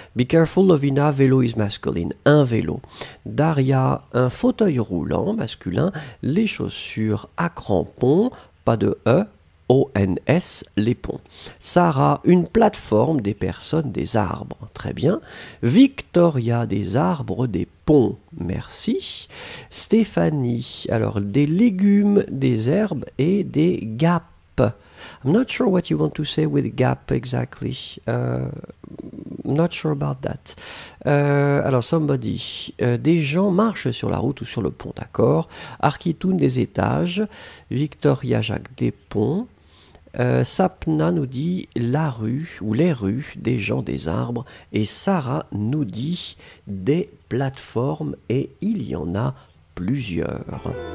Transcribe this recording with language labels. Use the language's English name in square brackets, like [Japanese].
[English] Be careful, Lovina, vélo is masculine, [French] un vélo. Daria, un fauteuil roulant, masculin, les chaussures à crampons, pas de E, O-N-S, les ponts. Sarah, une plateforme, des personnes, des arbres, très bien. Victoria, des arbres, des ponts, merci. Stéphanie, alors des légumes, des herbes et des gaps. [English] I'm not sure what you want to say with gap exactly. Not sure about that. Alors, somebody. [French] Des gens marchent sur la route ou sur le pont, d'accord. Architoun, des étages. Victoria Jacques, des ponts. Sapna nous dit la rue ou les rues, des gens, des arbres. Et Sarah nous dit des plateformes et il y en a plusieurs.